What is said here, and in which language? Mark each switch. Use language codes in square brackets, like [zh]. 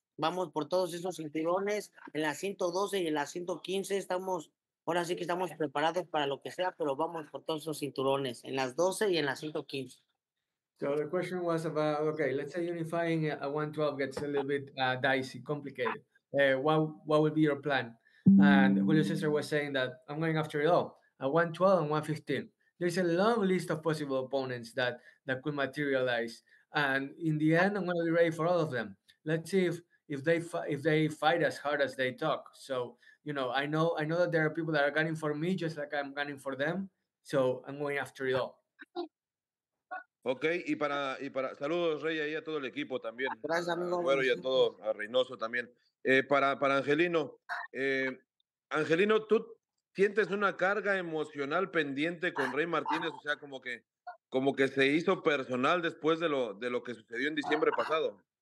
[es] Vamos por todos esos cinturones, en la 112 y en la 115 estamos, ahora sí que estamos preparados para lo que sea, pero vamos por todos esos cinturones, en las 12 y en la 115. [en] So the question was about, okay, let's say unifying a 112 gets a little bit dicey, complicated. What would be your plan? And Julio César was saying that I'm going after it all, a 112 and 115. There's a long list of possible opponents that could materialize. And in the end, I'm going to be ready for all of them. Let's see if they fight as hard as they talk. So, you know, I know that there are people that are gunning for me just like I'm gunning for them. So I'm going after it all. [es] Okay, y para saludos, Rey, y a todo el equipo también. Gracias, amigo. Bueno, y a todo, a Reynoso también. Para Angelino, Angelino, ¿tú sientes una carga emocional pendiente con Rey Martínez? O sea, como que se hizo personal después de lo que sucedió en diciembre pasado.